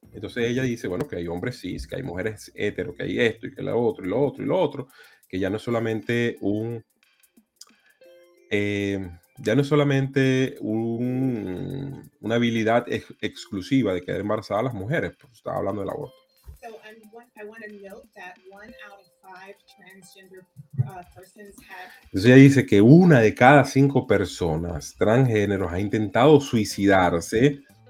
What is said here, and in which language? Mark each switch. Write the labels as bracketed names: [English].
[Spanish] Entonces ella dice, bueno, que hay hombres cis, que hay mujeres hetero, que hay esto y que lo otro y lo otro y lo otro, que ya no es solamente un... ya no es solamente una habilidad exclusiva de quedar embarazada a las mujeres, pues estaba hablando del aborto. [English] So I want to note that one out of five transgender persons have... [Spanish] Entonces ella dice que una de cada cinco personas transgéneros ha intentado suicidarse.